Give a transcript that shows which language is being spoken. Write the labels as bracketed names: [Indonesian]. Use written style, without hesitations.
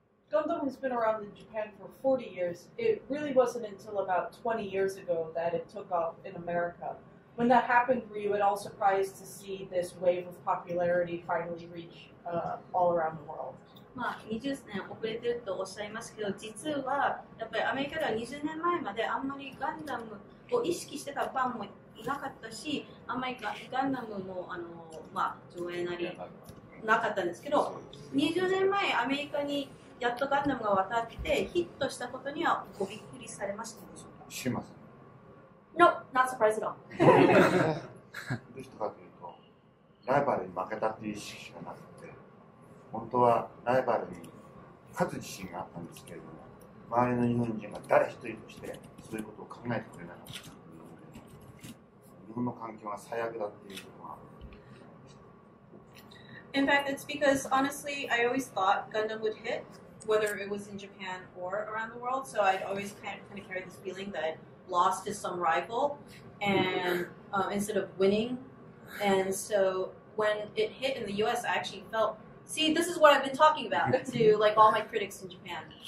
[English] Gundam has been around in Japan for 40 years. It really wasn't until about 20 years ago that it took off in America. When that happened, were you at all surprised to see this wave of popularity finally reach all around the world? [Japanese] まあ、20年遅れてるとおっしゃいますけど、実はやっぱりアメリカでは20年前まであんまりガンダムを意識してたファンもいなかったし、あんまりガンダムの、まあ、上映なりなかったんですけど、20年前アメリカにやっとガンダムが渡ってヒットしたことにはごびっくりされましたでしょうか？しません。 [English] No, not surprised at all. [Japanese] どうしたかというと、ライバルに負けたという意識しかなくて、本当はライバルに勝つ自信があったんですけれども、周りの日本人が誰一人としてそういうことを考えてくれなかったので、日本の環境が最悪だということが。 [English] In fact, it's because honestly, I always thought Gundam would hit, whether it was in Japan or around the world. So I'd always kind of carry this feeling that I'd lost to some rival, and instead of winning. And so when it hit in the U.S., I actually felt, see, this is what I've been talking about to like all my critics in Japan.